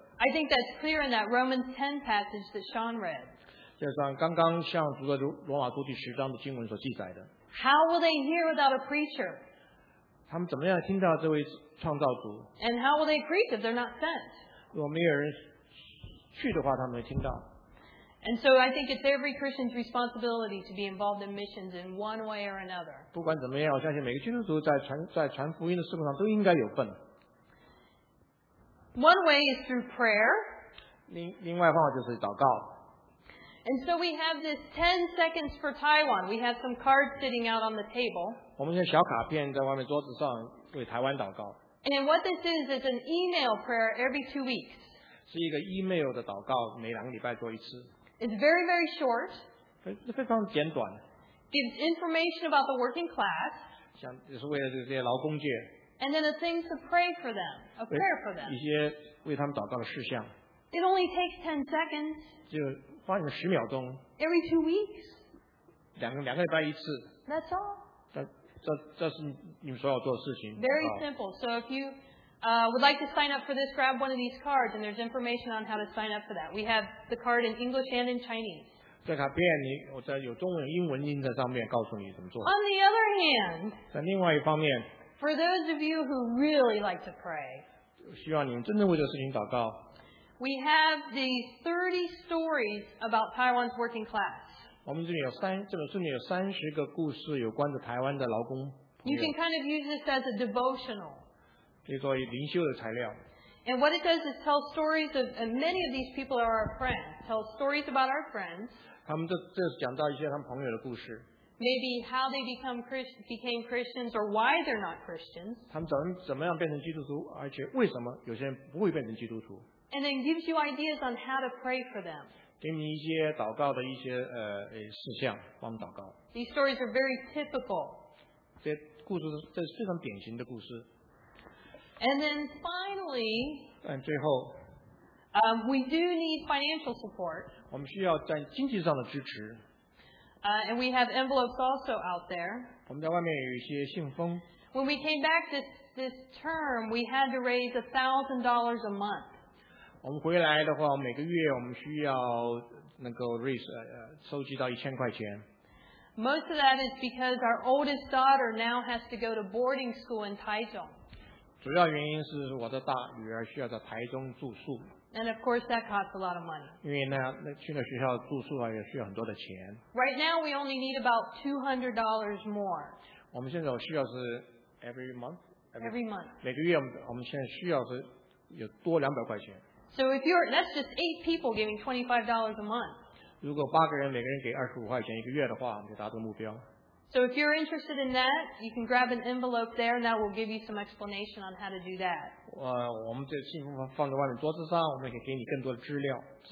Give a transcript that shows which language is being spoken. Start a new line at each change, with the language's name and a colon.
English: I think that's clear in that Romans 10 passage that Sean read.
Chinese: 就像刚刚像读的罗马书第10章的经文所记载的。
English: How will they hear without a preacher?
Chinese: 他们怎么样听到这位创造主？
English: And how will they preach if they're not sent?
Chinese: 如果没有人去的话，他们会听到。
English: And so I think it's every Christian's responsibility to be involved in missions in one way or another.
Chinese: 不管怎么样，我相信每个基督徒在传福音的事工上都应该有份。
English: One way is through prayer.
Chinese: 另外一方法就是祷告。
English: And so we have this 10 seconds for Taiwan. We have some cards sitting out on the table.
Chinese: 我们有小卡片在外面桌子上为台湾祷告。
English: And what this is an email prayer every 2 weeks.
Chinese: 是一个email的祷告，每2个礼拜做一次。
English: It's very, very short.
Chinese: 非常简短。
English: Gives information about the working class.
Chinese: 也是为了这些劳工界。
English: And then a thing to pray for them, a prayer for them.
Chinese: 一些为他们祷告的事项。
English: It only takes 10 seconds.
Chinese: 就花你们10秒钟。
English: Every 2 weeks.
Chinese: 两个礼拜一次。
English: That's all.
Chinese: 这是你们所要做的事情。
English: Very simple. So if you would like to sign up for this, grab one of these cards, and there's information on how to sign up for that. We have the card in English and in Chinese.
Chinese: 在卡片你我在有中文英文印在上面告诉你怎么做。
English: On the other hand,
Chinese: 在另外一方面
English: for those of you who really like to pray,
Chinese: 希望你们真的为这事情祷告。
English: We have the 30 stories about Taiwan's working class.
Chinese: 我们这里有三这本书里有三十个故事有关的台湾的劳工。
English: You can kind of use this as a devotional.
Chinese: 比如说灵修的材料。
English: And what it does is tell stories of, and many of these people are our friends, tell stories about our friends.
Chinese: 他们这讲到一些他们朋友的故事。
English: Maybe how they become became Christians or why they're not Christians.
Chinese: 他们怎么样变成基督徒，而且为什么有些人不会变成基督徒。
English: And then gives you ideas on how to pray for them.
Chinese: 给你一些祷告的一些事项，帮祷告。
English: These stories are very typical.
Chinese: 这故事这是非常典型的故事。
English: And then finally,
Chinese: 但最后,
English: we do need financial support.
Chinese: 我们需要在经济上的支持。
English: And we have envelopes also out there.
Chinese: 我们在外面有一些信封。
English: When we came back this term, we had to raise $1,000 a month.
Chinese: 我们回来的话，每个月我们需要能够 raise 收集到1000块钱。
English: Most of that is because our oldest daughter now has to go to boarding school in Taichung.
Chinese: 主要原因是我的大女儿需要在台中住宿。
English: And of course that costs a lot of money.
Chinese: 因为呢，那去那学校住宿啊，也需要很多的钱。
English: Right now we only need about $200 more.
Chinese: 我们现在需要是
English: every month. Every month.
Chinese: 每个月我们现在需要是有多200块钱。
English: So if you're that's just eight people giving $25 a month.
Chinese: 如果八个人每个人给25块钱一个月的话，我们就达到目标。
English: So if you're interested in that, you can grab an envelope there and that will give you some explanation on how to do that.
Chinese: 我们这信封放在外面桌子上，我们可以给你更多的资料。